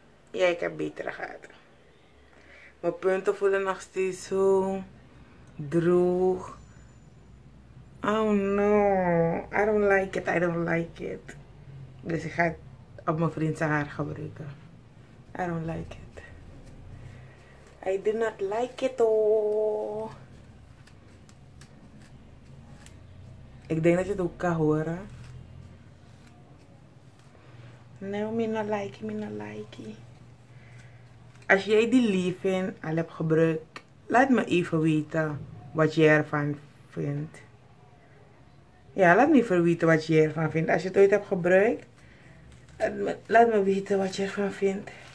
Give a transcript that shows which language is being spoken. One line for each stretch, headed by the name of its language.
Dutch: Ja, ik heb betere gehad. Mijn punten voelen nog steeds zo droog.
English: Oh no, I don't like it, I don't like it.
Dutch: Dus ik ga het op mijn vriend zijn haar gebruiken.
English: I don't like it. I do not like it. Oh.
Dutch: Ik denk dat je het ook kan horen.
English: No, me not like it, me not like it.
Dutch: Als jij die leave-in al hebt gebruikt, laat me even weten wat jij ervan vindt. Ja, laat me even weten wat jij ervan vindt. Als je het ooit hebt gebruikt, laat me weten wat je ervan vindt.